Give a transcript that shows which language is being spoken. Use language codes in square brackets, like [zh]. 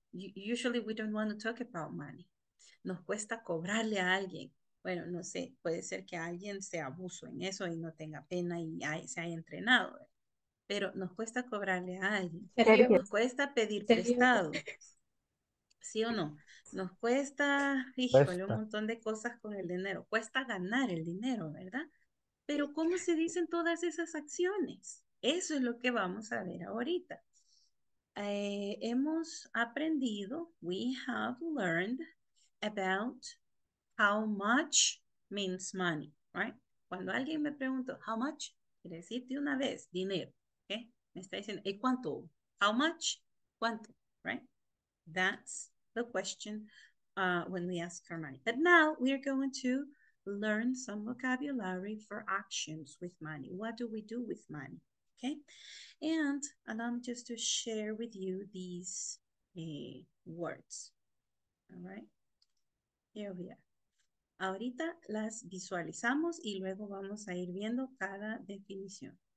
[en] Usually we don't want to talk about money. [es] Nos cuesta cobrarle a alguien. Bueno, no sé, puede ser que alguien se abuso en eso y no tenga pena y se haya entrenado. Pero nos cuesta cobrarle a alguien. ¿Serio? Nos cuesta pedir ¿serio? Prestado. ¿Sí o no? Nos cuesta, híjole, un montón de cosas con el dinero. Cuesta ganar el dinero, ¿verdad? Pero ¿cómo se dicen todas esas acciones? Eso es lo que vamos a ver ahorita. Hemos aprendido, [en] we have learned about how much means money, right? [es] Cuando alguien me pregunta, how much, quiere decir de una vez, dinero, okay? Me está diciendo, ¿y cuánto? [en] How much? [es] ¿Cuánto? [en] Right? That's the question when we ask for money. But now we are going to learn some vocabulary for actions with money. What do we do with money? Okay, and allow me just to share with you these words. All right, here we are. [es] Ahorita las visualizamos y luego vamos a ir viendo cada definición.